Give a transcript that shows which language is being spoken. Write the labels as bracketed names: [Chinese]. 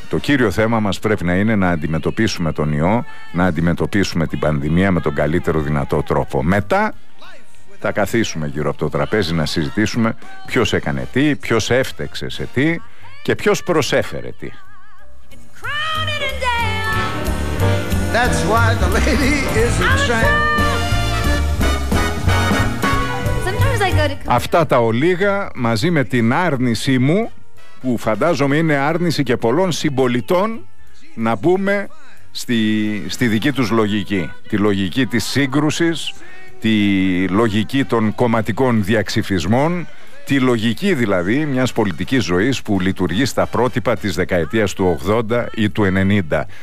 [Greek] Το κύριο θέμα μας πρέπει να είναι να αντιμετωπίσουμε τον ιό, να αντιμετωπίσουμε την πανδημία με τον καλύτερο δυνατό τρόπο. Μετά θα καθίσουμε γύρω από το τραπέζι να συζητήσουμε ποιος έκανε τι, ποιος έφταιξε σε τι και ποιος προσέφερε τι. [English] That's why the lady is a tramp. [Greek] Αυτά τα ολίγα μαζί με την άρνησή μου, που φαντάζομαι είναι άρνηση και πολλών συμπολιτών, να μπούμε στη δική τους λογική. Τη λογική της σύγκρουσης, τη λογική των κομματικών διαξυφισμών, τη λογική δηλαδή μιας πολιτικής ζωής που λειτουργεί στα πρότυπα της δεκαετίας του 80 ή του 90.